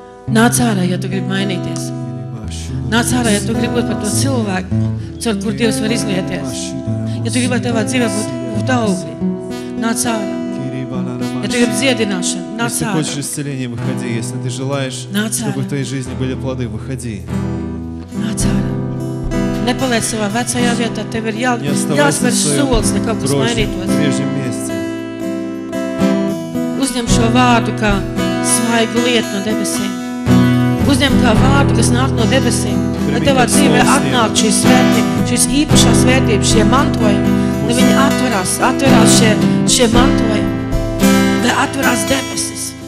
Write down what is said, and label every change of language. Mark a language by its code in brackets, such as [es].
[lv] Nāc ārā, ja tu gribi mainīties. Nāc ārā, ja tu gribi būt par to cilvēku, caur kur Dievs var izlieties. Ja tu gribi ar tevā dzīvē būt daugļi, nāc ārā. Ja tu gribi dziedināšanu, nāc ārā. [ru] Если хочешь исцеления, выходи. Если ты желаешь, чтобы в твоей жизни были плоды, выходи. [lv] Nāc ārā. Nepaliec savā vecajā vietā, tev ir jāsver solis, lai kaut kas mainītos. Uzņem šo vārdu kā svaigu lietu no debesīm. Uzņem kā vārdu, kas nāk no debesīm, lai tevā dzīvē atnāk šīs svētības, šīs īpašās vērtības, šie mantojumi, lai viņi atverās šie mantojumi, lai atverās debesis.